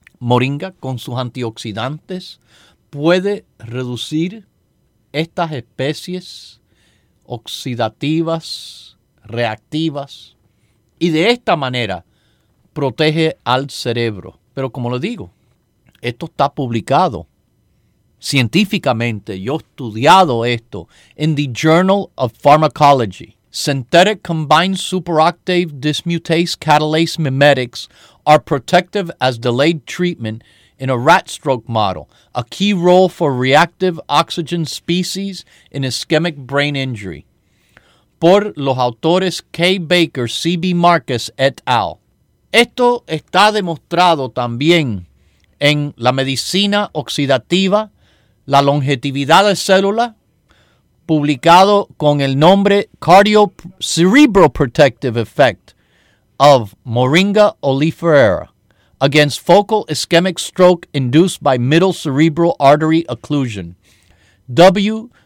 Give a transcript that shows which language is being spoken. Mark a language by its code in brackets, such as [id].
[es] Moringa, con sus antioxidantes, puede reducir estas especies oxidativas, reactivas, y de esta manera protege al cerebro. Pero como le digo, esto está publicado científicamente. Yo he estudiado esto en The Journal of Pharmacology. [en] Synthetic combined superoctave dismutase catalase mimetics are protective as delayed treatment in a rat stroke model, a key role for reactive oxygen species in ischemic brain injury. [es] Por los autores K. Baker, C.B. Marcus et al. Esto está demostrado también en la medicina oxidativa, la longevidad de célula, publicado con el nombre [en] Cerebral Protective Effect of Moringa oleifera against focal ischemic stroke induced by middle cerebral artery occlusion. [es] W.